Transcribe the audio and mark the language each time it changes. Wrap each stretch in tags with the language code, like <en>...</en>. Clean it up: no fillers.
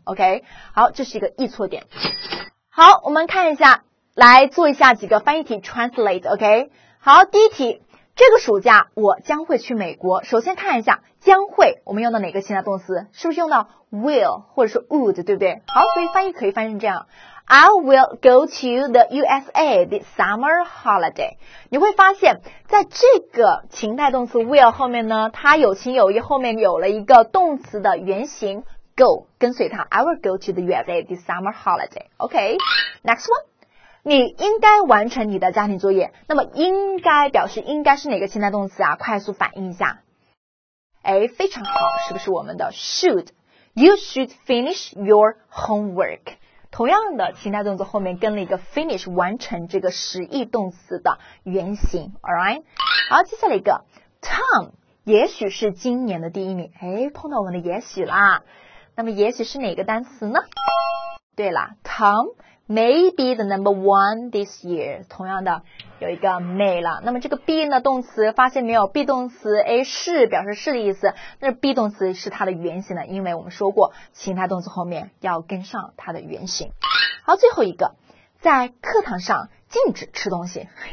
<zh>OK， 好，这是一个易错点。好，我们看一下，来做一下几个翻译题 translate。 OK， 好，第一题，这个暑假我将会去美国。首先看一下将会，我们用到哪个情态动词？是不是用到 will 或者是 would， 对不对？好，所以翻译可以翻译成这样，</zh> <en>I will go to the USA this summer holiday。</en> <zh>你会发现在这个情态动词 will 后面呢，它有情有义，后面有了一个动词的原型</zh> <en>go,</en> <zh>跟随他</zh> <en>I will go to the USA this summer holiday. Okay, next one.</en> <zh>你应该完成你的家庭作业。那么应该表示应该是哪个现在动词啊？快速反应一下。哎，非常好，是不是我们的 should?</zh> <en>You should finish your homework.</en> <zh>同样的情态动词后面跟了一个 finish, 完成这个实义动词的原型。</zh> <en>Alright?</en> <zh>好，接下来一个 Tom, 也许是今年的第一名。哎，碰到我们的也许啦。那么也许是哪个单词呢？对啦</zh> <en>Tom,May be the number one this year.</en> <zh>同样的有一个 may 了。那么这个 be 呢动词发现没有 ?be 动词 A 是表示是的意思。那 be 动词是它的原型呢因为我们说过情态动词后面要跟上它的原型。好最后一个在课堂上禁止吃东西。</zh>